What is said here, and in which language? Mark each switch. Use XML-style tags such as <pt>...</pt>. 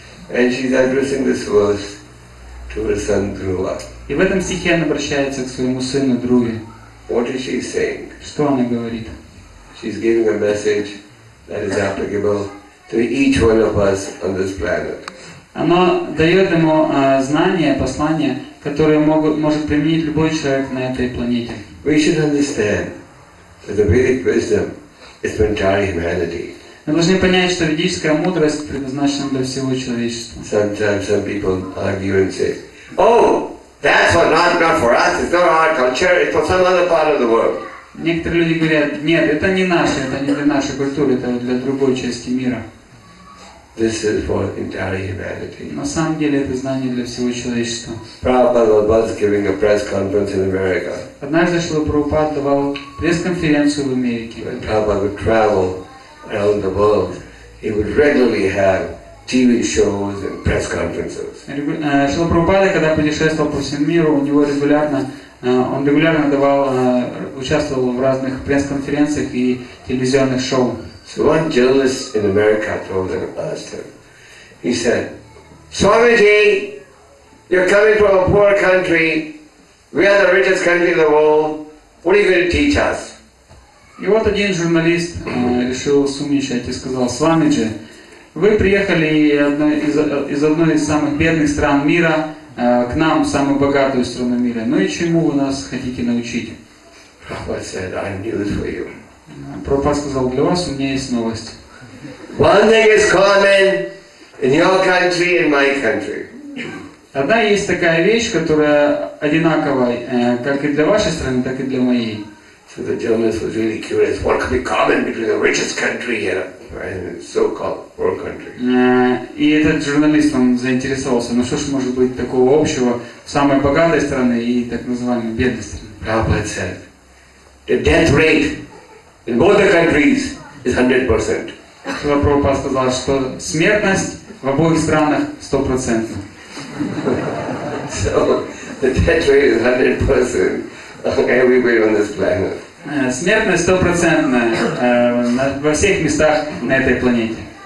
<en>And she's addressing this verse to her son Dhruva.</en> <ru>И в этом стихе она обращается к своему сыну Друве.</ru> <en>What is she saying?</en> <ru>Что она говорит?</ru> <en>She's giving a message that is applicable to each one of us on this planet.</en> <ru>Она дает ему знание, послание, которое может применить любой человек на этой планете.</ru> <en>We should understand that the Vedic wisdom is for entire humanity.</en> <ru>Мы должны понять, что ведическая мудрость предназначена для всего человечества.</ru> <en>Sometimes some people argue and say, "Oh, that's not for us. It's not our culture. It's for some other part of the world."</en> <ru>Некоторые люди говорят: "Нет, это не наше, это не для нашей культуры, это для другой части мира."</ru> <en>This is for entire humanity.</en> <ru>На самом деле это знание для всего человечества.</ru> <en>Prabhupada was giving a press conference in America.</en> <ru>Однажды Шрила Прабхупад давал пресс-конференцию в Америке.</ru> <en>Prabhupada would travel around the world, he would regularly have TV shows and press conferences.</en> <ru>Шрила Прабхупада, когда путешествовал по всему миру, у него регулярно, он регулярно давал, участвовал в разных пресс-конференциях и телевизионных шоу.</ru> <en>So one journalist in America told him, asked him, he said, "Swamiji, you're coming from a poor country. We are the richest country in the world. What are you going to teach us?"</en> <ru>И вот один журналист решил сумничать и сказал: "Свамиджи, вы приехали из одной из самых бедных стран мира к нам, в самую богатую страну мира. Ну и чему вы нас хотите научить?"</ru> <en>Prabhupada said, "I knew it for you."</en> <ru>Прабхупада сказал: "Для вас у меня есть новость."</ru> <en>One thing is common in your country and my country.</en> <ru>Одна есть такая вещь, которая одинакова как и для вашей страны, так и для моей.</ru> <en>So the journalist was really curious, what could be common between the richest country and so-called poor country.</en> <ru>И этот журналист, он заинтересовался, ну что ж может быть такого общего в самой богатой стране и так называемой бедной стране?</ru> <en>Prabhupada said, the death rate in both the countries is 100%.</en> <ru>Прабхупада сказал, что смертность в обоих странах 100%.</ru> <en>So, the death rate is 100% everywhere on this planet.</en> <ru>Смертность 100% во всех местах на этой планете.</ru>